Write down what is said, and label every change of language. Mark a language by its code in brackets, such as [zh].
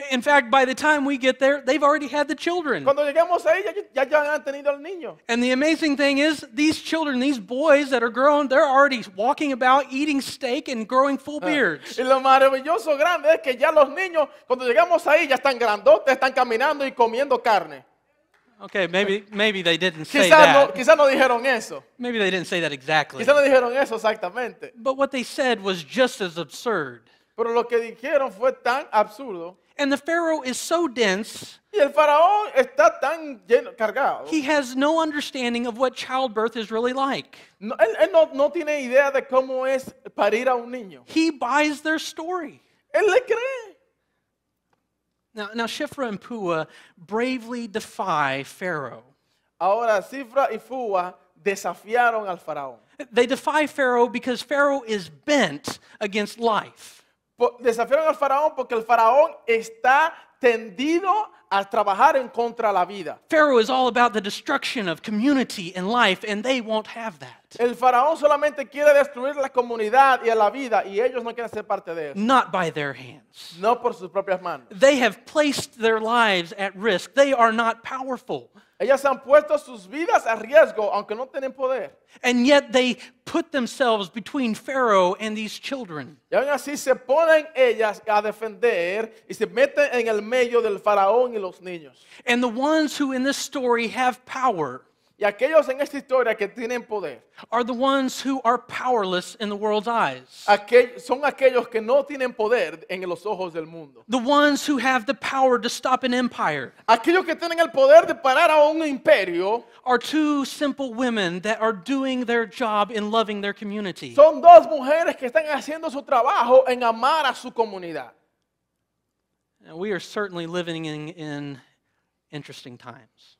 [en] In fact, by the time we get there, they've already had the children. [es] Cuando lleguemos ahí, ya han tenido el niño. [en] And the amazing thing is, these children, these boys that are grown, they're already walking about, eating steak, and growing full beards. [es] Y lo maravilloso grande es que ya los niños, cuando llegamos ahí, ya están grandotes, están caminando y comiendo carne. [en] Okay, maybe they didn't say that. [es] Quizá no dijeron eso. [en] Maybe they didn't say that exactly. [es] Quizá no dijeron eso exactamente. [en] But what they said was just as absurd. [es] Pero lo que dijeron fue tan absurdo. [en] And the Pharaoh is so dense. [es] Y el faraón está tan lleno, cargado. [en] He has no understanding of what childbirth is really like. [es] No, él no tiene idea de cómo es parir a un niño. [en] He buys their story. [es] Él le cree. [en] Now Shifra and Pua bravely defy Pharaoh. [es] Ahora Shifra y Pua desafiaron al faraón. [en] They defy Pharaoh because Pharaoh is bent against life. [es] Desafiaron al faraón porque el faraón está tendido a trabajar en contra la vida. [en] Pharaoh is all about the destruction of community and life, and they won't have that. [es] El faraón solamente quiere destruir la comunidad y la vida, y ellos no quieren ser parte de eso. [en] Not by their hands. [es] No por sus propias manos. [en] They have placed their lives at risk. They are not powerful. [es] Ellas han puesto sus vidas a riesgo, aunque no tienen poder. [en] And yet they put themselves between Pharaoh and these children. [es] Y aún así se ponen ellas a defender y se meten en el medio del faraón y los niños. [en] And the ones who in this story have power, [es] y aquellos en esta historia que tienen poder, [en] are the ones who are powerless in the world's eyes. [es] Son aquellos que no tienen poder en los ojos del mundo. [en] The ones who have the power to stop an empire. [es] Aquellos que tienen el poder de parar a un imperio. [en] Are two simple women that are doing their job in loving their community. [es] Son dos mujeres que están haciendo su trabajo en amar a su comunidad. [en] And we are certainly living in interesting times.